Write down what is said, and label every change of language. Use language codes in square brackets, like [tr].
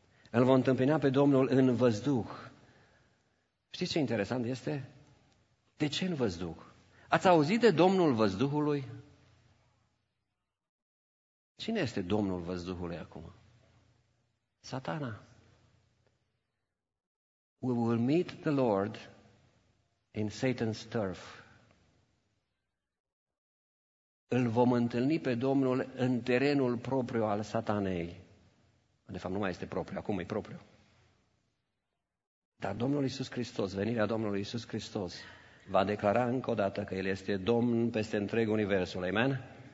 [ro] Îl vom întâmpina pe Domnul în văzduh. Știți ce interesant este? De ce în văzduh? Ați auzit de Domnul văzduhului? Cine este Domnul văzduhului acum? Satana. [en] We will meet the Lord in Satan's turf. [ro] Îl vom întâlni pe Domnul în terenul propriu al Satanei. De fapt, nu mai este propriu, acum e propriu. Dar Domnul Iisus Hristos, venirea Domnului Iisus Hristos, va declara încă o dată că El este Domn peste întreg universul. Amen?